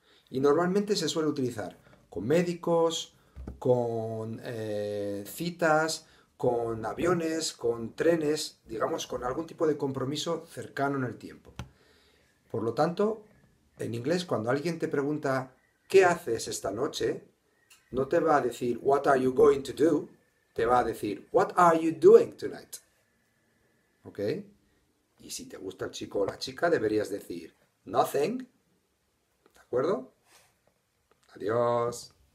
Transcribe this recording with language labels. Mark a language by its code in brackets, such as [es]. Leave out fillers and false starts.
[es] Y normalmente se suele utilizar con médicos, con citas, con aviones, con trenes, digamos, con algún tipo de compromiso cercano en el tiempo. Por lo tanto, en inglés, cuando alguien te pregunta, ¿qué haces esta noche? No te va a decir, [en] What are you going to do? [es] Te va a decir, [en] What are you doing tonight? [es] ¿Ok? Y si te gusta el chico o la chica, deberías decir nothing. ¿De acuerdo? Adiós.